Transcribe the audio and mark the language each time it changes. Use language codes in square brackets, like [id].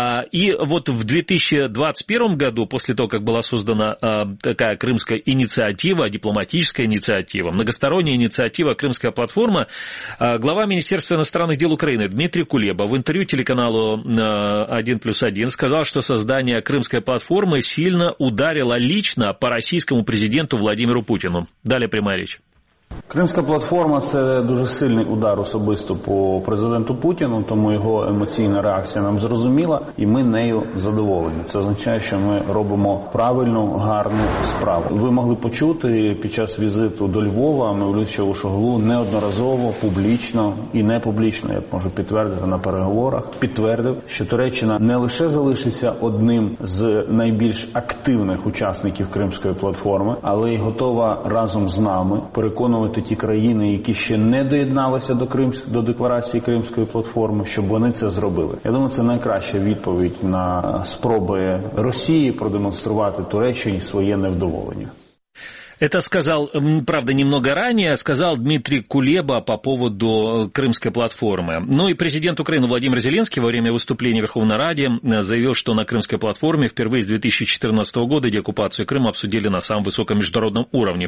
[ru] И вот в 2021 году, после того, как была создана такая крымская инициатива, дипломатическая инициатива, многосторонняя инициатива «Крымская платформа», глава Министерства иностранных дел Украины Дмитрий Кулеба в интервью телеканалу 1+1 сказал, что создание «Крымской платформы» сильно ударило лично по российскому президенту Владимиру Путину. Далее прямая речь. [uk] Кримська платформа – це дуже сильний удар особисто по президенту Путіну, тому його емоційна реакція нам зрозуміла, і ми нею задоволені. Це означає, що ми робимо правильну, гарну справу. Ви могли почути під час візиту до Львова, Мевлюд Чавушоглу неодноразово, публічно і не публічно, я можу підтвердити на переговорах, підтвердив, що Туреччина не лише залишиться одним з найбільш активних учасників Кримської платформи, але й готова разом з нами переконувати ті країни, які ще не доєдналися до декларації Кримської платформи, щоб вони це зробили. Я думаю, це найкраща відповідь на спроби Росії продемонструвати Туреччині своє невдоволення. [ru] Это сказал, правда, немного ранее, сказал Дмитрий Кулеба по поводу Крымской платформы. Ну и президент Украины Владимир Зеленский во время выступления в Верховной Раде заявил, что на Крымской платформе впервые с 2014 года деоккупацию Крыма обсудили на самом высоком международном уровне.